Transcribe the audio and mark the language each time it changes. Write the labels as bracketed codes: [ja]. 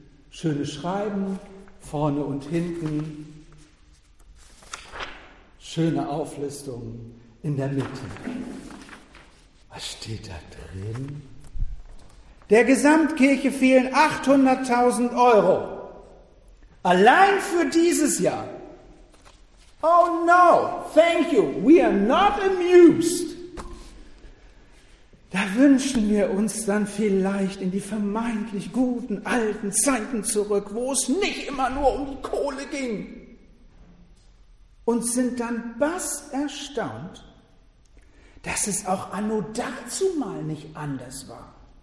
[de] Schöne Schreiben, vorne und hinten. Schöne Auflistung in der Mitte. Was steht da drin? Der Gesamtkirche fehlen 800.000 Euro. Allein für dieses Jahr. [en] Oh no, thank you, we are not amused. [de] Da wünschen wir uns dann vielleicht in die vermeintlich guten alten Zeiten zurück, wo es nicht immer nur um die Kohle ging. Und sind dann bass erstaunt, dass es auch anno dazumal nicht anders war.